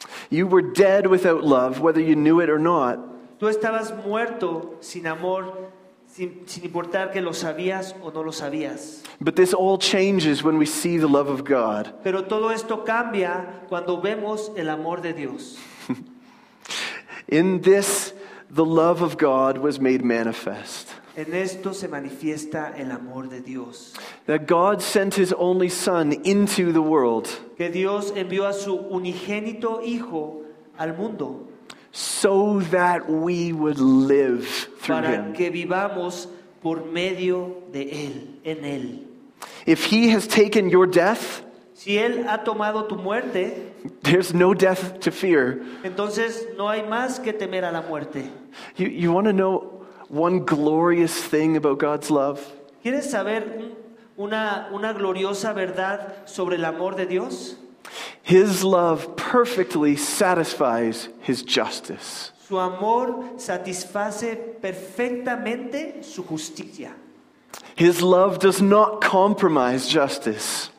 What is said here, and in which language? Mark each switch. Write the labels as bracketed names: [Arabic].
[English] You were dead without love, whether you knew it or not. [Spanish] Tú estabas muerto sin amor, sin importar que lo sabías o no lo sabías. [English] But this all changes when we see the love of God. [Spanish] Pero todo esto cambia cuando vemos el amor de Dios. [English] In this, the love of God was made manifest. [Spanish] En esto se manifiesta el amor de Dios. [English] That God sent his only son into the world. [Spanish] Que Dios envió a su unigénito hijo al mundo. [English] So that we would live through [Spanish] para [English] him. [Spanish] Para que vivamos por medio de él, en él. [English] If he has taken your death. [Spanish] Si él ha tomado tu muerte. [English] There's no death to fear. [Spanish] Entonces no hay más que temer a la muerte. [English] You want to know one glorious thing about God's love? [Spanish] ¿Quieres saber una gloriosa verdad sobre el amor de Dios? [English] His love perfectly satisfies his justice. [Spanish] Su amor satisface perfectamente su justicia. [English] His love does not compromise justice.